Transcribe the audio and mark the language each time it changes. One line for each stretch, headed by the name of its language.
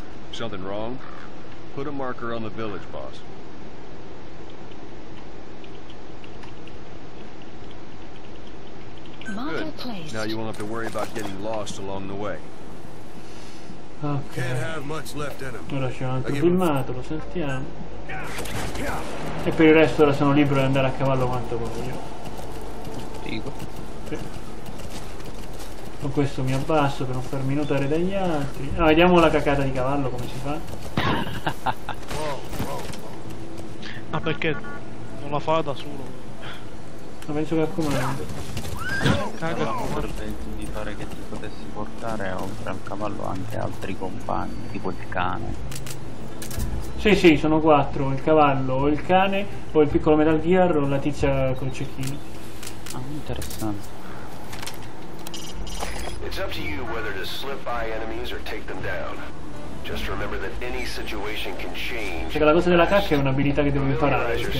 English: Something wrong? Put a marker on the village, boss. Good. Now you won't have to worry about getting lost along the way. Okay.
Italian: Ora c'è un altro filmato, lo sentiamo. E per il resto ora sono libero di andare a cavallo quanto voglio. Dico. Sì. Con questo mi abbasso per non farmi notare dagli altri. Ah, vediamo la cacata di cavallo come si fa. Ma perché non la fa da solo? Ma penso che accomando. Cagano, mi pare che ti potessi portare oltre al cavallo anche altri compagni, tipo il cane. Sì, sono 4, il cavallo, o il cane, o il piccolo Metal Gear, o la tizia col cecchino. Ah, interessante.
English: It's up to you whether to slip by enemies or take them down. Just remember that any situation can change.
Italian: Perché la cosa della cacca è un'abilità che devo imparare.